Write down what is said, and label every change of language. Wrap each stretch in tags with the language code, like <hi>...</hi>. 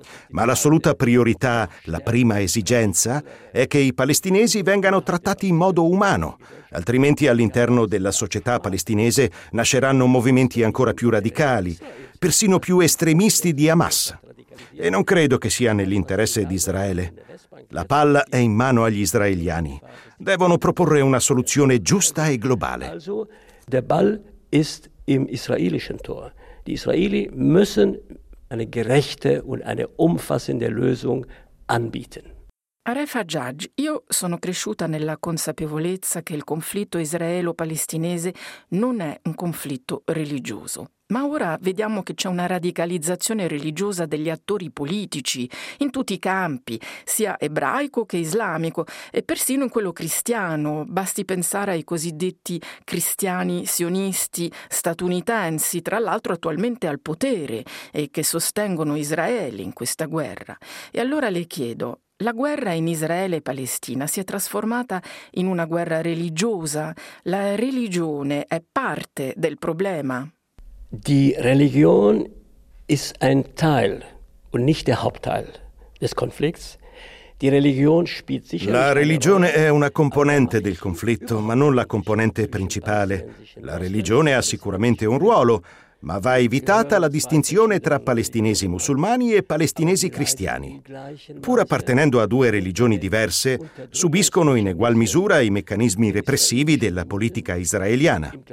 <it>Ma l'assoluta priorità, la prima esigenza, è che i palestinesi vengano trattati in modo umano, altrimenti all'interno della società palestinese nasceranno movimenti ancora più radicali persino più estremisti di Hamas. E non credo che sia nell'interesse di Israele. La palla è in mano agli israeliani. Devono proporre una soluzione giusta e globale.</it> <de>Der Ball ist im israelischen Tor. Die Israeli müssen eine gerechte und eine umfassende Lösung anbieten.</de> <it>Refa Hajjaj, io sono cresciuta nella consapevolezza che il conflitto israelo-palestinese non è un conflitto religioso. Ma ora vediamo che c'è una radicalizzazione religiosa degli attori politici in tutti i campi, sia ebraico che islamico, e persino in quello cristiano. Basti pensare ai cosiddetti cristiani sionisti statunitensi, tra l'altro attualmente al potere, e che sostengono Israele in questa guerra. E allora le chiedo, la guerra in Israele e Palestina si è trasformata in una guerra religiosa? La religione è parte del problema?</it> <de>Die Religion ist ein Teil und nicht der Hauptteil des Konflikts. Die Religion spielt sicherlich</de> <it>La religione è una componente del conflitto, ma non la componente principale. La religione ha sicuramente un ruolo, ma va evitata la distinzione tra palestinesi musulmani e palestinesi cristiani. Pur appartenendo a due religioni diverse, subiscono in egual misura i meccanismi repressivi della politica israeliana.</it>